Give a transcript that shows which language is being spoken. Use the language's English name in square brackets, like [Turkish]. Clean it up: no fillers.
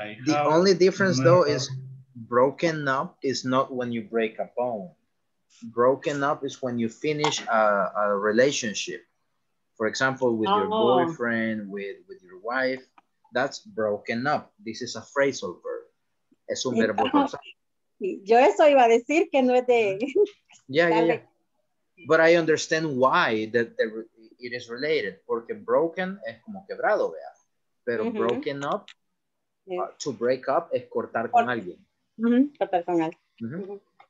[English] The only difference though is broken up is not when you break a bone. Broken up is when you finish a relationship. For example, with your boyfriend, with your wife. That's broken up. This is a phrasal verb. [Spanish] Es un verbo. Yo eso iba a decir que no es de... [English] But I understand why that it is related. [Spanish] Porque broken es como quebrado, vea. Pero broken up, to break up, es cortar con alguien. Cortar con alguien.